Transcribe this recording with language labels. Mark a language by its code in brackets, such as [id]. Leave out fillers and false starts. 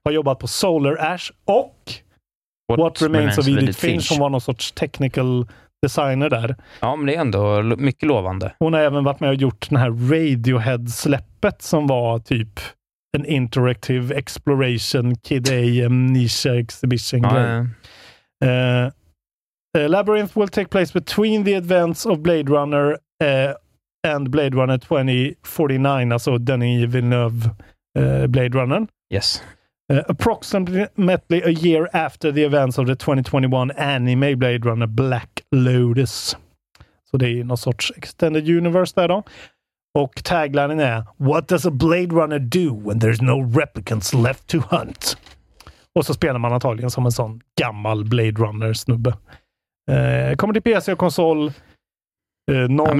[sv] Har jobbat på Solar Ash och What Remains of Edith Finch. Hon var någon sorts technical designer där. Ja, men det är ändå mycket lovande. Hon har även varit med och gjort den här Radiohead-släppet som var typ en interactive exploration Kid A Amnesia exhibition grej. [en] Labyrinth will take place between the events of Blade Runner and Blade Runner 2049, [sv] alltså Denis Villeneuve Blade Runner. [en] Yes. Approximately a year after the events of the 2021 anime Blade Runner Black Lotus. [sv] Så det är någon sorts extended universe där då. Och taglinen är: [en] What does a Blade Runner do when there's no replicants left to hunt? [sv] Och så spelar man antagligen som en sån gammal Blade Runner-snubbe. Kommer till PC och konsol någon gång.